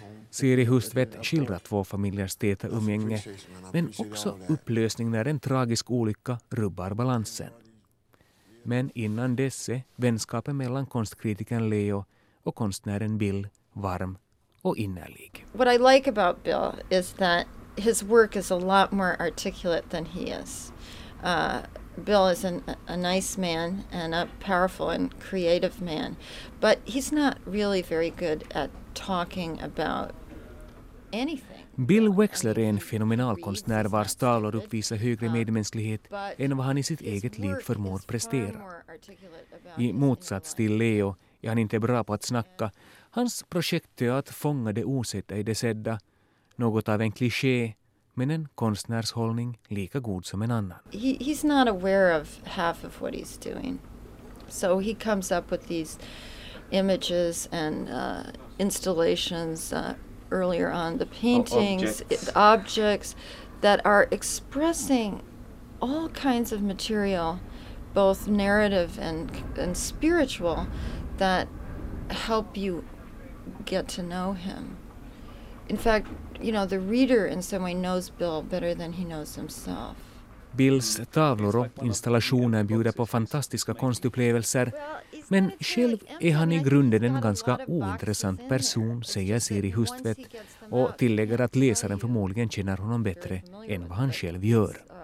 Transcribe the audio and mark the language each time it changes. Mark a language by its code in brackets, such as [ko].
[sv] Siri Hustvedt skildrar två familjers täta umgänge, men också upplösning när en tragisk olycka rubbar balansen. Men innan dess är vänskapen mellan konstkritikern Leo och konstnären Bill varm. [en] What I like about Bill is that his work is a lot more articulate than he is. Bill is a nice man and a powerful and creative man, but he's not really very good at talking about anything. [sv] Bill Wexler är en fenomenal konstnär vars talar uppvisar högre medmänsklighet än vad han i sitt eget liv förmår prestera. I motsats till Leo är han inte bra på att snacka. Hans projekt är att fånga det osedda i det sedda. Något av en kliché, men en konstnärshållning lika god som en annan. [en] He's not aware of half of what he's doing. So he comes up with these images and installations earlier on, the paintings, objects that are expressing all kinds of material, both narrative and spiritual, that help you get to know him. In fact, you know, the reader in some way knows Bill better than he knows himself. [sv] Bills tavlor och installationer bjuder på fantastiska konstupplevelser, men själv är han i grunden en ganska ointressant person, säger Siri Hustvedt, och tillägger att läsaren förmodligen känner honom bättre än vad han själv gör.